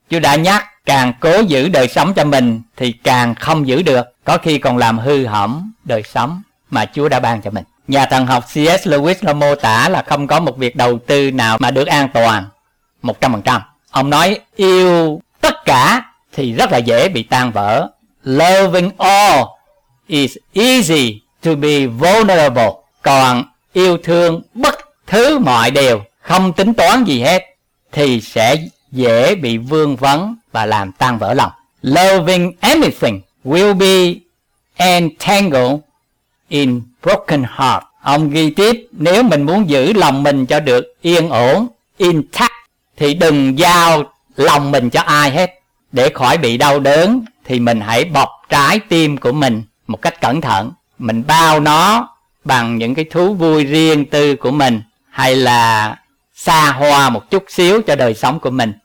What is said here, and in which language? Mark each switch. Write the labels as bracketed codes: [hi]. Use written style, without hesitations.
[vi] Chúa đã nhắc, càng cố giữ đời sống cho mình, thì càng không giữ được, có khi còn làm hư hỏng đời sống mà Chúa đã ban cho mình. Nhà thần học C.S. Lewis đã mô tả là không có một việc đầu tư nào mà được an toàn 100%. Ông nói yêu tất cả thì rất là dễ bị tan vỡ. [en] Loving all is easy to be vulnerable. [vi] Còn yêu thương bất thứ mọi điều, không tính toán gì hết, thì sẽ dễ bị vương vấn và làm tan vỡ lòng. [en] Loving anything will be entangled in broken heart. [vi] Ông ghi tiếp, nếu mình muốn giữ lòng mình cho được yên ổn, intact, thì đừng giao lòng mình cho ai hết. Để khỏi bị đau đớn, thì mình hãy bọc trái tim của mình một cách cẩn thận. Mình bao nó bằng những cái thú vui riêng tư của mình, hay là xa hoa một chút xíu cho đời sống của mình.